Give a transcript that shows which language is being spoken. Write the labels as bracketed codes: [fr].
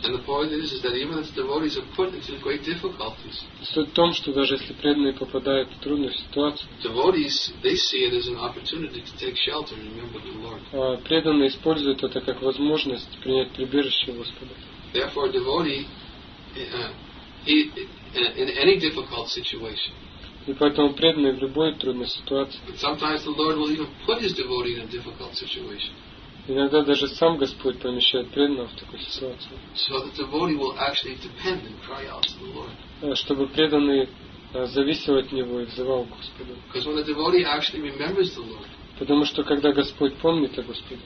[ru] Суть в том, что даже если преданные попадают в трудную ситуацию, преданные используют это как возможность принять прибежище Господа. [en] Therefore, devotee, in any difficult situation. [ru] И поэтому преданный в любой трудной ситуации. [en] Sometimes the Lord will even put his devotee in a difficult situation. [ru] Иногда даже сам Господь помещает преданного в такую ситуацию. [en] So that the devotee will actually depend and cry out to the Lord. [ru] Чтобы преданный зависел от него и взывал Господа. [en] Because when the devotee actually remembers the Lord. [ru] Потому что когда Господь помнит о Господе.